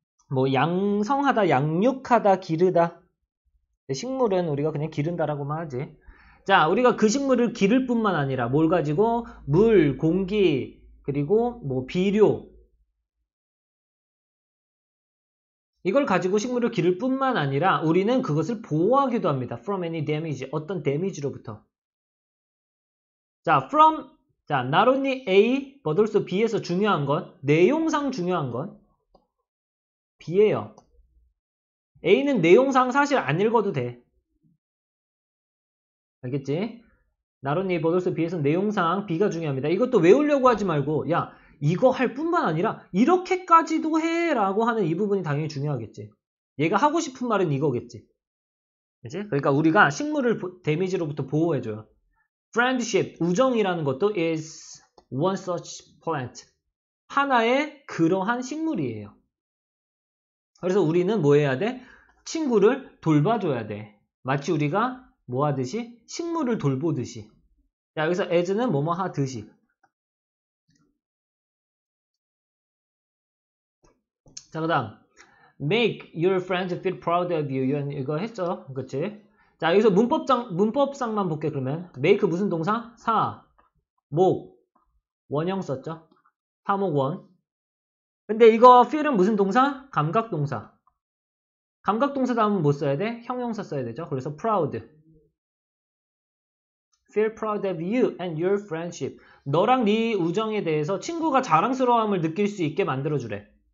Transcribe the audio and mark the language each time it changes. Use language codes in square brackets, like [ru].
[ko] 뭐 양성하다, 양육하다, 기르다. 식물은 우리가 그냥 기른다라고만 하지. 자, 우리가 그 식물을 기를 뿐만 아니라 뭘 가지고? 물, 공기, 그리고 뭐 비료. 이걸 가지고 식물을 기를 뿐만 아니라 우리는 그것을 보호하기도 합니다. [en] From any damage, [ko] 어떤 데미지로부터. 자, from, 자, [en] not only A, [ko] 버돌소 B에서 중요한 건, 내용상 중요한 건 B예요. A는 내용상 사실 안 읽어도 돼. 알겠지? [en] not only A, [ko] 버돌소 B에서 내용상 B가 중요합니다. 이것도 외우려고 하지 말고, 야, 이거 할 뿐만 아니라 이렇게까지도 해라고 하는 이 부분이 당연히 중요하겠지. 얘가 하고 싶은 말은 이거겠지. 이제 그러니까 우리가 식물을 데미지로부터 보호해줘요. [en] Friendship, [ko] 우정이라는 것도 [en] is one such plant. [ko] 하나의 그러한 식물이에요. 그래서 우리는 뭐 해야 돼? 친구를 돌봐줘야 돼. 마치 우리가 뭐 하듯이? 식물을 돌보듯이. 자, 여기서 as는 뭐뭐 하듯이. 자, 그 다음. [en] Make your friends feel proud of you. [ko] 이거 했죠? 그치? 자, 여기서 문법상만 볼게, 그러면. Make 무슨 동사? 사. 목. 원형 썼죠? 사목원. 근데 이거 feel은 무슨 동사? 감각 동사. 감각 동사 다음은 뭐 써야 돼? 형용사 써야 되죠? 그래서 proud. [en] Feel proud of you and your friendship. [ko] 너랑 네 우정에 대해서 친구가 자랑스러움을 느낄 수 있게 만들어 주래.